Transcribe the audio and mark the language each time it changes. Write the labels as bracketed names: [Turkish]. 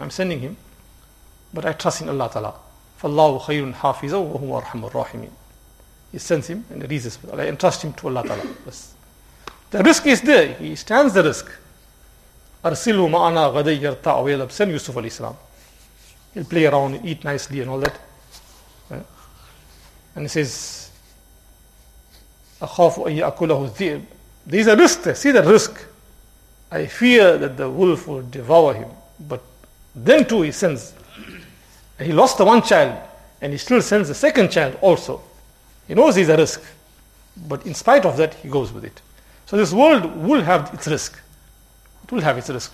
[English] I'm sending him, but I trust in Allah Ta'ala. [Arabic] Fallahu khayrun hafiza wa huwa arhamur rahimin. [English] He sends him and he reads this. I entrust him to Allah Ta'ala. Yes. The risk is there. He stands the risk. [Arabic] Arsilu ma'ana ghaday yarta'a wa yalab. [English] Send Yusuf alayhi salam. He'll play around and eat nicely and all that. And he says, [Arabic] أَخَافُ أَن يَأْكُلَهُ الذِّئِبُ. [English] There is a risk there. See the risk. I fear that the wolf will devour him. But then too he sends. He lost the one child and he still sends the second child also. He knows he's a risk. But in spite of that, he goes with it. So this world will have its risk. It will have its risk.